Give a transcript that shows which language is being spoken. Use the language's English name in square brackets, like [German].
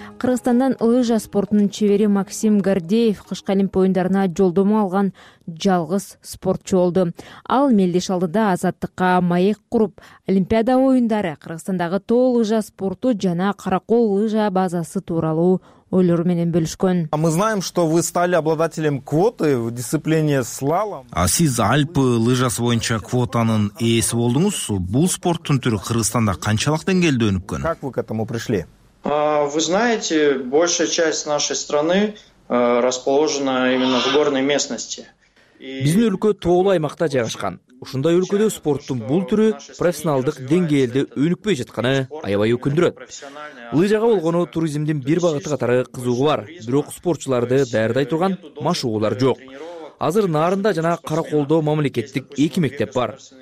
[Kyrgyz] Кыргызстандан лыжа спортунун чевери Максим Гордеев кышкы олимп оюндарына жолдомо алган жалгыз спортчу болду. Ал мелдеш алдыда азаттыкка маек куруп, олимпиада оюндары, Кыргызстандагы тоо лыжа спорту жана каракол лыжа базасы тууралуу ойлору менен бөлүшкөн. [Russian] Мы знаем, что вы стали обладателем квоты в дисциплине слалом. [Kyrgyz] А сиз Альпы лыжасы боюнча квотанын ээси болдуңуз. Бул спорттун түрү Кыргызстанда канчалык деңгээлде өнүккөн? [Russian] Как вы к этому пришли? Вы знаете, большая часть нашей страны расположена именно в горной местности. [Kyrgyz] Биздин өлкө тоолуу аймакта жайгашкан. Ушундай өлкөдө спорттун бул түрү профессионалдык деңгээлде өнүкпөй жатканы аябай өкүндүрөт. Лыжага болгону туризмдин бир багыты катары кызыгы бар, бирок спортчуларды даярдай турган машыгуулар жок. Азыр Нарында жана Караколдо мамлекеттик эки мектеп бар.